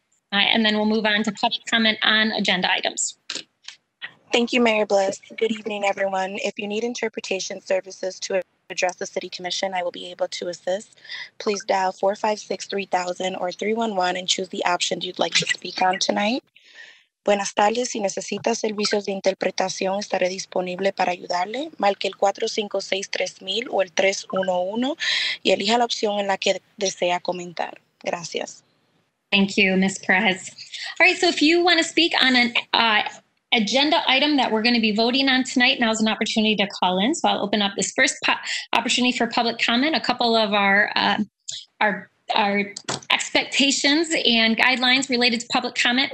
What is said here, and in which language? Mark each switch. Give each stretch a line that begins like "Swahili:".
English: And then we'll move on to public comment on agenda items. Thank you, Mayor Bliss. Good evening, everyone. If you need interpretation services to address the City Commission, I will be able to assist. Please dial 456-3000 or 311 and choose the option you'd like to speak on tonight.
Spanish: Buenas tardes. Si necesita servicios de interpretación, estaré disponible para ayudarle. Marque el 456-3000 o el 311 y elija la opción en la que desea comentar. Gracias.
English: Thank you, Ms. Perez. All right, so if you want to speak on an agenda item that we're going to be voting on tonight, now is an opportunity to call in. So I'll open up this first opportunity for public comment. A couple of our expectations and guidelines related to public comment.